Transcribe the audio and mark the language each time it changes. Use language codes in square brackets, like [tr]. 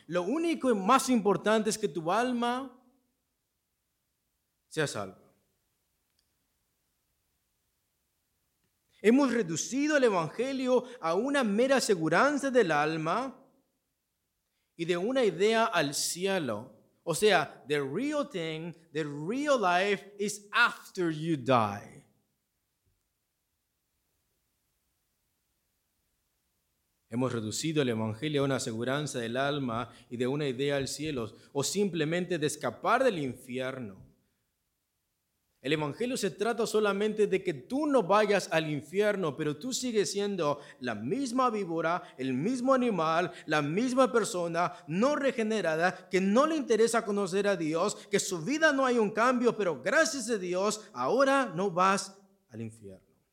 [es] Lo único y más importante es que tu alma sea salva. Hemos reducido el Evangelio a una mera aseguranza del alma y de una idea al cielo. O sea, [en] the real thing, the real life is after you die. [es] Hemos reducido el Evangelio a una aseguranza del alma y de una idea al cielo, o simplemente de escapar del infierno. El Evangelio se trata solamente de que tú no vayas al infierno, pero tú sigues siendo la misma víbora, el mismo animal, la misma persona no regenerada, que no le interesa conocer a Dios, que su vida no hay un cambio, pero gracias a Dios, ahora no vas al infierno.